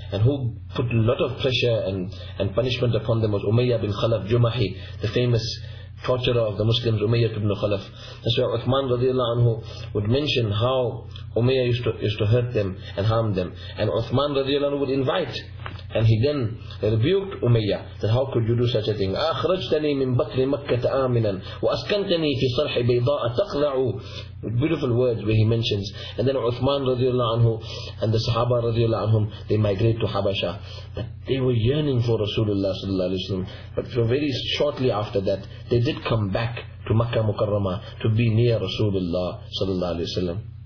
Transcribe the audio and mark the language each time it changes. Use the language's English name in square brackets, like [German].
[English] And who put a lot of pressure and punishment upon them was Umayyah bin Khalaf Jumahi, the famous torturer of the Muslims, Umayyah ibn Khalaf. That's why Uthman radiallahu anhu would mention how Umayyah used to hurt them and harm them. And Uthman radiallahu anhu would invite, and he then rebuked Umayyah that how could you do such a thing? [Arabic] أخرجتني من بطن مكة آمنا وأسكنتني في صرح بيضاء تقلع. [English] Beautiful words where he mentions. And then Uthman radiallahu anhu and the Sahaba radiallahu anhum, they migrate to Habasha. But they were yearning for Rasulullah sallallahu alaihi wasallam. But so very shortly after that, they did come back to Makkah Mukarrama to be near Rasulullah sallallahu alaihi wasallam.